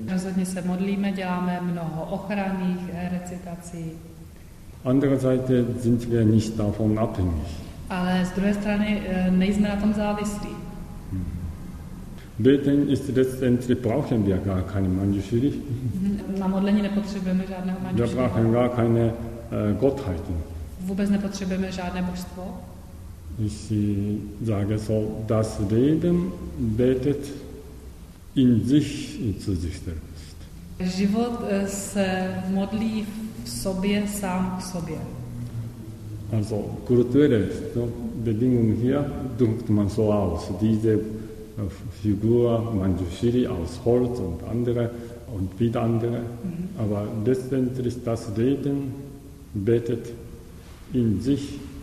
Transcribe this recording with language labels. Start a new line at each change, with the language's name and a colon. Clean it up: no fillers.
Czech: Rozhodně se modlíme, děláme mnoho ochranných recitací.
German: Andererseits sind wir nicht davon abhängig.
Czech: Ale z druhé strany nejsme na tom závislí.
German: Beten ist letztendlich, brauchen wir gar keine Manjushiri.
Czech: Na modlení nepotřebujeme žádného Manjushiri.
German: Wir brauchen gar keine Gottheiten.
Czech: Vůbec nepotřebujeme žádné božstvo.
German: Ich sage so, das Leben betet in sich und zu sich selbst.
Czech: Život se modlí v sobě, sám k sobě.
German: Also, kulturelle so, Bedingung hier drückt man so aus. Diese Figur Manjushiri aus Holz und andere und wieder andere. Mhm. Aber letztendlich das Leben betet in sich.